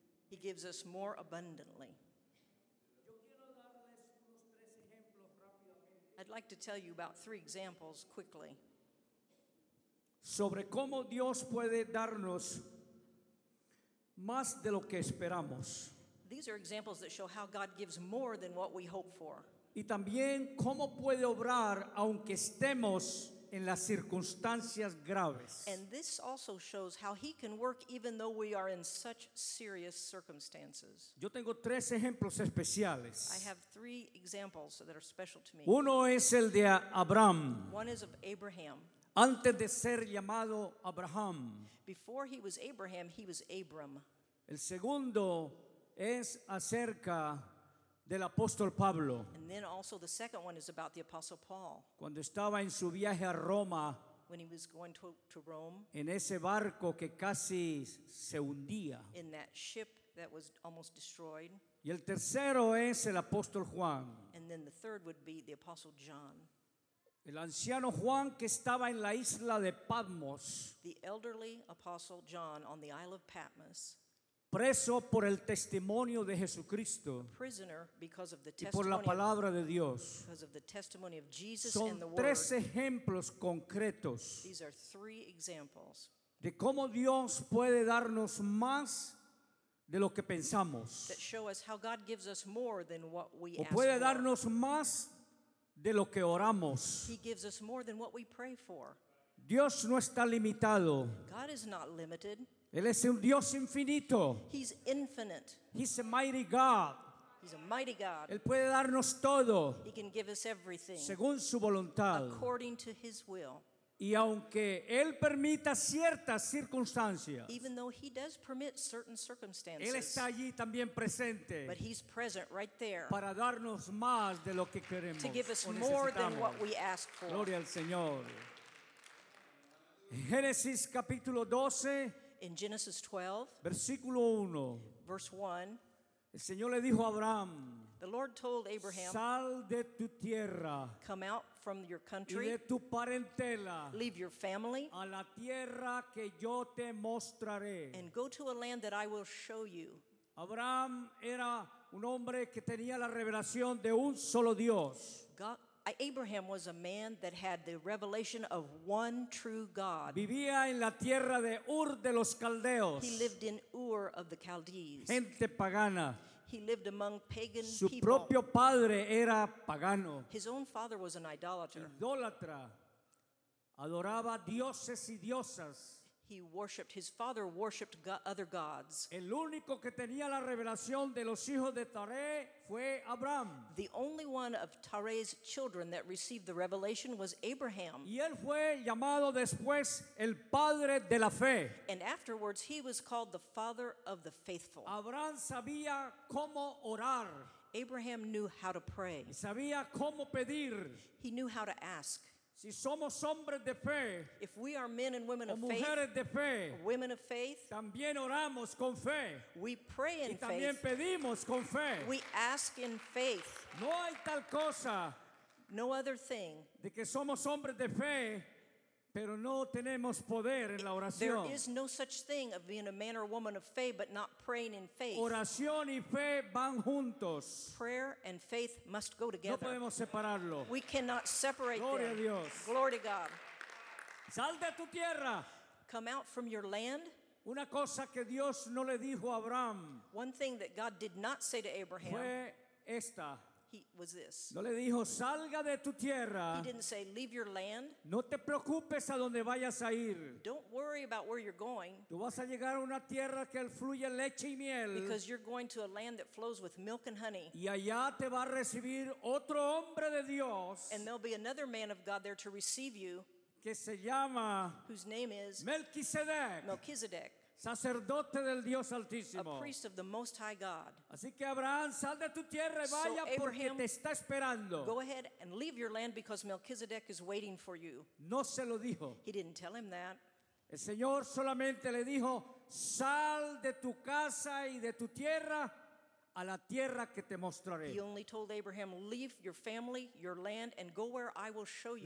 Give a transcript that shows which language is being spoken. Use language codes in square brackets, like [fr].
[en] He gives us more abundantly. I'd like to tell you about 3 examples quickly. [es] Sobre cómo Dios puede darnos más de lo que esperamos. [en] These are examples that show how God gives more than what we hope for. [es] Y también cómo puede obrar aunque estemos en las circunstancias graves. [en] And this also shows how he can work even though we are in such serious circumstances. [es] Yo tengo 3 ejemplos especiales. [en] I have 3 examples that are special to me. [es] Uno es el de Abraham. [en] One is of Abraham. [es] Antes de ser llamado Abraham. [en] Before he was Abraham, he was Abram. [es] El segundo es acerca del apóstol Pablo. [en] And then also the second one is about the apostle Paul. [es] Cuando estaba en su viaje a Roma, [en] when he was going to Rome. [es] En ese barco que casi se hundía. [en] In that ship that was almost destroyed. [es] Y el tercero es el apóstol Juan. [en] And then the third would be the apostle John. [es] El anciano Juan que estaba en la isla de Patmos. [en] The elderly apostle John on the Isle of Patmos. [es] Preso por el testimonio de Jesucristo. [en] A prisoner because of the testimony. [es] Y por la palabra de Dios. [en] Because of the testimony of Jesus [es] and [en] the word. [es] Son tres ejemplos concretos. [en] These are three examples. [es] De cómo Dios puede darnos más de lo que pensamos. [en] That show us how God gives us more than what we ask. [es] O puede darnos más de lo que oramos. [en] He gives us more than what we pray for. [es] Dios no está limitado. [en] God is not limited. [es] Él es un Dios infinito. [en] He's infinite. He's a mighty God. He's a mighty God. [es] Él puede darnos todo. [en] He can give us everything. [es] Según su voluntad. [en] According to his will. [es] Y aunque él permita ciertas circunstancias, [en] even though he does permit certain circumstances, [es] él está allí también presente, [en] but he's present right there, [es] para darnos más de lo que queremos, [en] to give us more than what we ask for. [es] Gloria al Señor. Génesis capítulo 12, [en] in Genesis 12, [es] versículo 1, [en] verse 1. [es] El Señor le dijo a Abraham, [en] the Lord told Abraham, [es] sal de tu tierra, [en] come out from your country, [es] y de tu parentela, [en] leave your family, [es] a la tierra que yo te mostraré, [en] and go to a land that I will show you. [es] Abraham era un hombre que tenía la revelación de un solo Dios. [en] God, Abraham was a man that had the revelation of one true God. [es] Vivía en la tierra de Ur de los Caldeos. [en] He lived in Ur of the Chaldees. [es] Gente pagana. [en] He lived among pagan [es] Su [en] people. [es] Propio padre era pagano. [en] His own father was an idolater. [es] Idólatra. Adoraba dioses y diosas. [en] He worshipped, his father worshipped other gods. [es] El único que tenía la revelación de los hijos de Taré fue Abraham. [en] The only one of Taré's children that received the revelation was Abraham. [es] Y él fue llamado después el padre de la fe. [en] And afterwards he was called the father of the faithful. [es] Abraham sabía cómo orar. [en] Abraham knew how to pray. [es] Y sabía cómo pedir. [en] He knew how to ask. [es] Si somos hombres de fe, [en] if we are men and women of faith, [es] de fe, [en] or women of faith, [es] también oramos con fe, [en] we pray in [es] y también [en] faith, [es] pedimos con fe. [en] We ask in faith. [es] No hay tal cosa, [en] no other thing, [es] de que somos hombres de fe, pero no tenemos poder en la oración. [en] There is no such thing of being a man or woman of faith but not praying in faith. [es] Oración y fe van juntos. [en] Prayer and faith must go together. [es] No podemos separarlo. [en] We cannot separate [es] Gloria [en] them. [es] A Dios. [en] Glory to God. [es] Sal de tu tierra. [en] Come out from your land. [es] Una cosa que Dios no le dijo a Abraham. [en] One thing that God did not say to Abraham. [es] Fue esta. [en] He was this. [es] No le dijo, salga de tu tierra. [en] He didn't say, leave your land. [es] No te preocupes a donde vayas a ir. [en] Don't worry about where you're going. [es] Tú vas a llegar a una tierra que fluye leche y miel. [en] Because you're going to a land that flows with milk and honey. [es] Y allá te va a recibir otro hombre de Dios. [en] And there'll be another man of God there to receive you. [es] Que se llama. [en] Whose name is. [es] Melquisedec. [en] Melquisedec. [es] Sacerdote del Dios Altísimo. [en] A priest of the Most High God. [es] Así que Abraham, sal de tu tierra y vaya [en] so Abraham, [es] porque te está esperando. [en] Go ahead and leave your land because Melchizedek is waiting for you. [es] No se lo dijo. [en] He didn't tell him that. [es] El Señor solamente le dijo, sal de tu casa y de tu tierra a la tierra que te mostraré. [en] He only told Abraham, leave your family, your land, and go where I will show you.